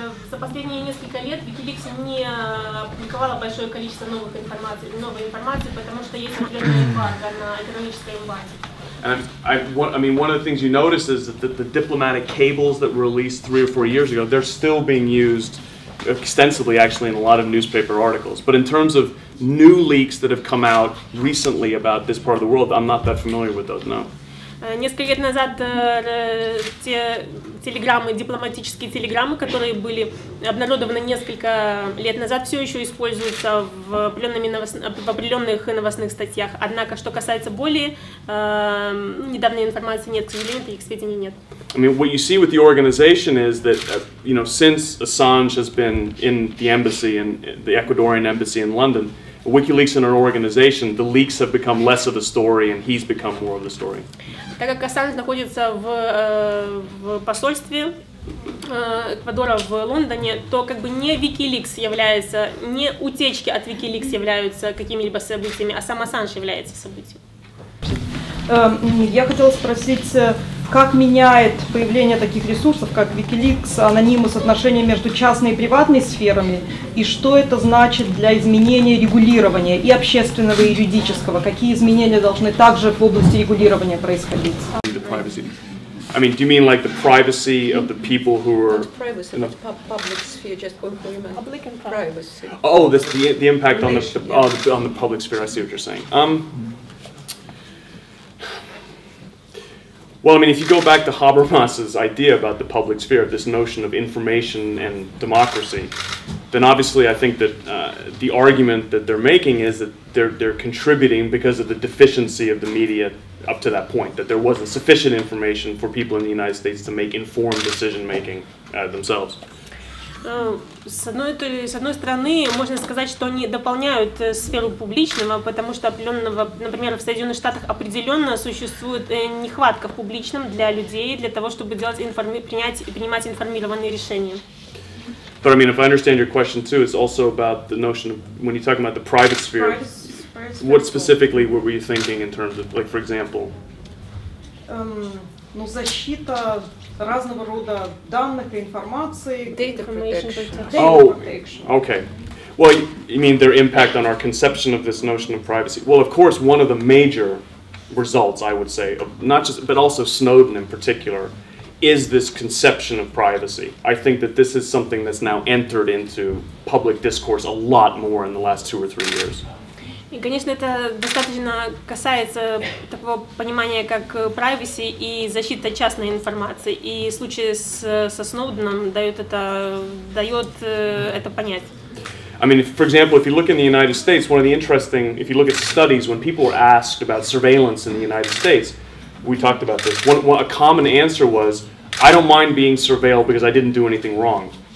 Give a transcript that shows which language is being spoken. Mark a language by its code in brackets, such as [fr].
[ru] За последние несколько лет WikiLeaks не опубликовала большое количество новой информации, потому что есть определенная экономическая эмбарго. [en] And I mean, one of the things you notice is that the diplomatic cables that were released 3 or 4 years ago, they're still being used extensively, actually, in a lot of newspaper articles. But in terms of new leaks that have come out recently about this part of the world, I'm not that familiar with those, no. [ru] Несколько лет назад те телеграммы, дипломатические телеграммы, которые были обнародованы несколько лет назад, все еще используются в определенных новостных статьях. Однако, что касается более недавней информации, нет, к сожалению, таких сведений нет. [en] I mean, what you see with the organization is that, you know, since Assange has been in the embassy, in the Ecuadorian embassy in London, WikiLeaks and an organization, the leaks have become less of the story, and he's become more of the story. [ru] Так как Assange находится в посольстве Эквадора в Лондоне, то как бы не WikiLeaks является, не утечки от WikiLeaks являются какими-либо событиями, а сам Assange является событием. Я хотела спросить, как меняет появление таких ресурсов, как WikiLeaks, анонимус, отношения между частной и приватной сферами, и что это значит для изменения регулирования и общественного, и юридического? Какие изменения должны также в области регулирования происходить? [en] I mean, do you mean like the privacy of the people who are... Not privacy, you know, but public sphere, just employment. Public and privacy. Oh, this, the impact on the, yeah. Oh, on the public sphere, I see what you're saying. Well, I mean, if you go back to Habermas's idea about the public sphere, this notion of information and democracy, then obviously I think that the argument that they're making is that they're contributing because of the deficiency of the media up to that point, that there wasn't sufficient information for people in the United States to make informed decision-making themselves. [ru] С одной стороны, можно сказать, что они дополняют сферу публичного, потому что определенного, например, в Соединенных Штатах определенно существует нехватка в публичном для людей, для того, чтобы делать принимать информированные решения. [en] But I mean, if I understand your question too, it's also about the notion of when you talk about the private sphere. What specifically were you thinking in terms of, like, for example? [ru] Ну, защита разного рода данных и информации. [en] Data protection. Okay. Well, you mean their impact on our conception of this notion of privacy? Well, of course, one of the major results, I would say, of not just, but also Snowden in particular, is this conception of privacy. I think that this is something that's now entered into public discourse a lot more in the last two or three years. [ru] И, конечно, это достаточно касается такого понимания, как privacy и защита частной информации. И случай со Сноуденом дает это понять. [en] I mean, for example, if you look in the United States, one of the interesting, if you look at studies, when people were asked about surveillance in the United States, we talked about this. A common answer was, I don't mind being surveilled because I didn't do anything wrong.